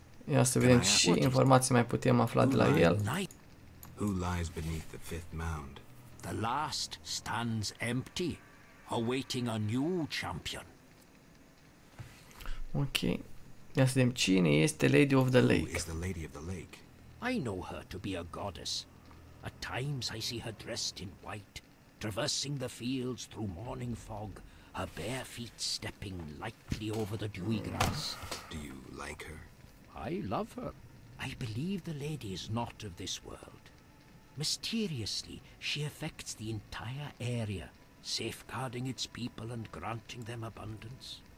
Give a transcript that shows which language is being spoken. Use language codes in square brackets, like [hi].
[ro] Ia să vedem ce informații mai putem afla de la el. [en] Who lies beneath the fifth mound? The last stands empty, awaiting a new champion. Ok. [ro] Ia să vedem cine este Lady of the Lake. [en] Who is the Lady of the Lake? I know her to be a goddess. At times I see her dressed in white, traversing the fields through morning fog, her bare feet stepping lightly over the dewy grass. Do you like her? I love her. I believe the lady is not of this world. Mysteriously, she affects the entire area, safeguarding its people and granting them abundance.